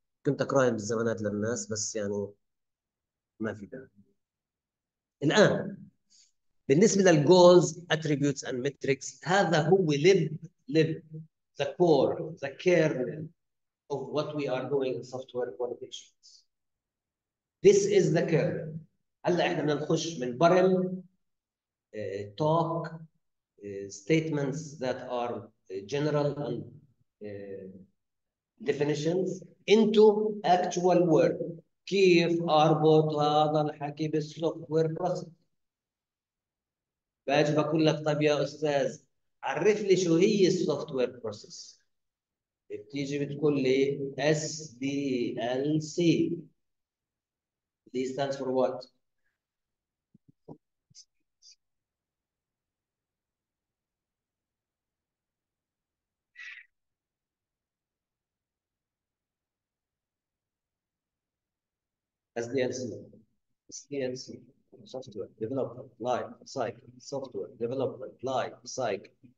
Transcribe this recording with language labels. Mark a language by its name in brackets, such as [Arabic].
[Arabic] كنت اقراهم بالزمانات للناس بس يعني ما في داعي. الان بالنسبه [English] للجولز attributes and metrics, [Arabic] هذا هو لب [English] The core the kernel of what we are doing in software quality assurance. This is the kernel. [Arabic] هلا احنا بدنا نخش من برم [English] talk statements that are general and definitions into actual work. [Arabic] كيف اربط هذا الحكي بالsoftware process؟ باجي بقول لك طب يا استاذ عرف لي شو هي السوفتوير بروسيس. بتيجي بتقول لي [English] S D L C, D stands for what? S D L C, S D L C software development life cycle, software development life cycle.